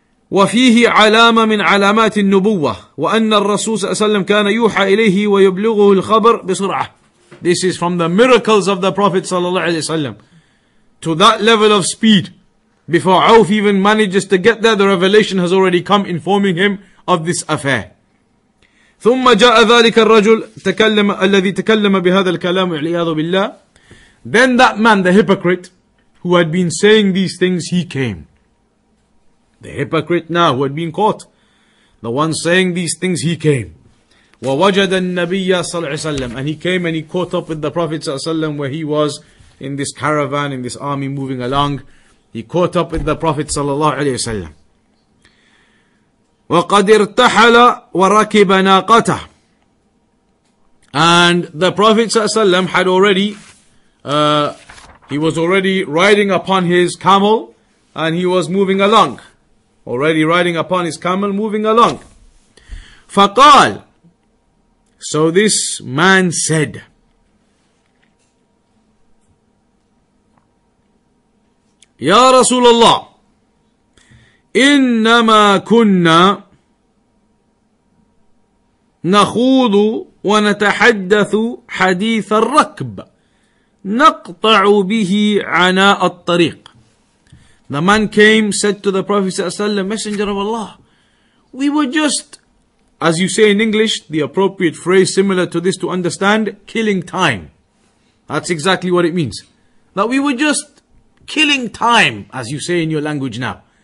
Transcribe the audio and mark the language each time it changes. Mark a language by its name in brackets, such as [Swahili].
[Arabic] وَفِيهِ عَلَامَ مِنْ عَلَامَاتِ النُّبُوَّةِ وَأَنَّ الرَّسُولَ صلى الله عليه وسلم كَانَ يُوحَى إِلَيْهِ وَيُبْلِغُهُ الْخَبَرُ بِسُرْعَةٍ. [English] This is from the miracles of the Prophet sallallahu alaihi wasallam, to that level of speed. Before Auf even manages to get there, the revelation has already come informing him of this affair. [Arabic] ثم جاء ذلك الرجل تكلم الذي تكلم بهذا الكلام والعياذ بالله. [English] Then that man, the hypocrite, who had been saying these things, he came. The hypocrite now who had been caught, the one saying these things, he came. [Arabic] ووجد النبي صلى الله عليه وسلم. [English] And he came and he caught up with the Prophet صلى الله عليه وسلم where he was in this caravan, in this army moving along. He caught up with the Prophet sallallahu alaihi wasallam. [Arabic] وَقَدْ ارْتَحَلَ وَرَكِبَ نَاقَتَهُ. [English] And the Prophet sallallahu alaihi wasallam had already, he was already riding upon his camel, and he was moving along. Already riding upon his camel, moving along. [Arabic] فَقَال. [English] So this man said. [Arabic] يا رسول الله إنما كنا نخوض ونتحدث حديث الركب نقطع به عناء الطريق. [English] The man came, said to the Prophet صلى الله عليه وسلم, Messenger of Allah, we were just, as you say in English, the appropriate phrase similar to this to understand, killing time. That's exactly what it means. That we were just killing time, as you say in your language now.